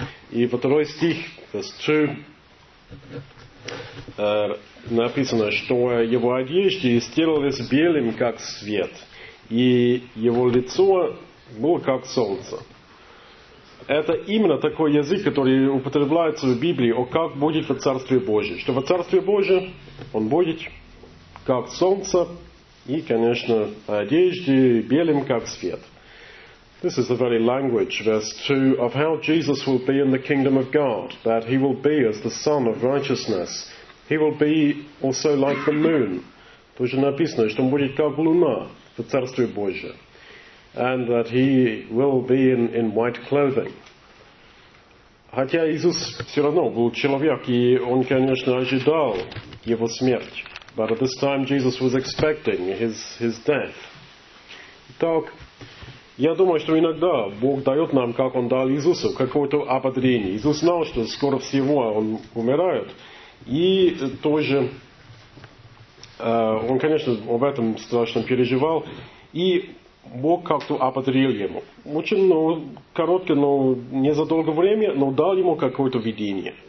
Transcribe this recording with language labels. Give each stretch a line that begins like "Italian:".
Russian: И во второй стих,
English: verse 2,
Russian: написано, что его одежды сделались белым, как свет, и его лицо было как солнце. Это именно такой язык, который употребляется в Библии, о как будет во Царстве Божьем. Что во Царстве Божьем он будет как солнце, и, конечно, одежды белым, как свет.
English: This is the very language, verse 2, of how Jesus will be in the kingdom of God, that he will be as the sun of righteousness. He will be also like the moon.
Russian: То же написано, что он будет как луна в Царстве Божьем.
English: And that he will be in white clothing.
Russian: Хотя Иисус все равно был человек, и он, конечно, ожидал его смерти.
English: But at this time Jesus was expecting his death.
Russian: Итак, я думаю, что иногда Бог дает нам, как он дал Иисусу, какое-то ободрение. Иисус знал, что скоро всего он умирает. И тоже, он, конечно, об этом страшно переживал. И Бог как-то ободрил ему. Очень, ну, короткое, но не за долгое время, но дал ему какое-то видение.